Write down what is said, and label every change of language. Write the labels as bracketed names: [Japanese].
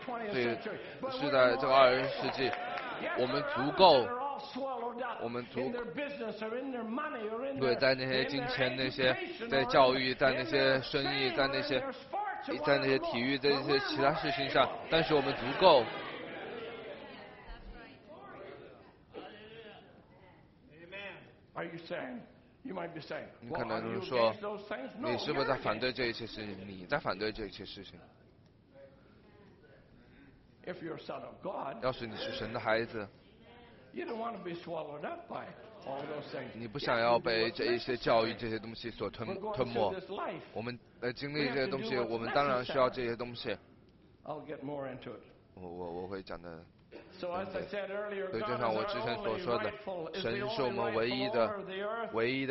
[Chinese] 所以是在这个二十世纪，我们足够。 [English] all swallowed up in their business or in their money or in their education or in their sports or whatever. [Chinese] 在教育、在那些生意、在那些体育、在那些其他事情上，但是我们足够。 [English] Are you saying? You might be saying. [Chinese] 你可能说，你是不是在反对这一切事情？你在反对这一切事情？ [English] If you're a son of God, [Chinese] 要是你是神的孩子， [English] you don't want to be swallowed up by all those things. [Chinese] 你不想要被这一些教育这些东西所吞没。我们来经历这些东西，我们当然需要这些东西。 [English] I'll get more into it. [Chinese] 我会讲的。 [English] So as I said earlier, God is our only rightful, is the only rightful owner of the earth.